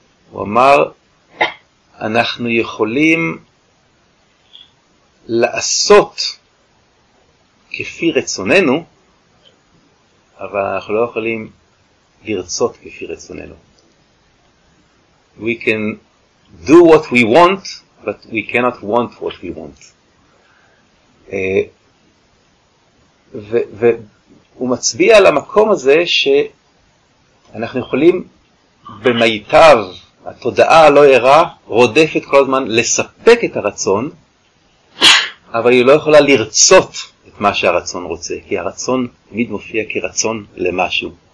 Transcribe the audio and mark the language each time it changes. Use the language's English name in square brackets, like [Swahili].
[Hebrew] הוא אמר, אנחנו יכולים לעשות כפי רצוננו, אבל אנחנו לא יכולים לרצות כפי רצוננו. [English] We can do what we want, but we cannot want what we want. [Hebrew] והוא מצביע על המקום הזה שאנחנו יכולים במיטב התודעה הלא ערה רודפת כל הזמן לספק את הרצון, אבל היא לא יכולה לרצות את מה שהרצון רוצה, כי הרצון תמיד מופיע כרצון למשהו.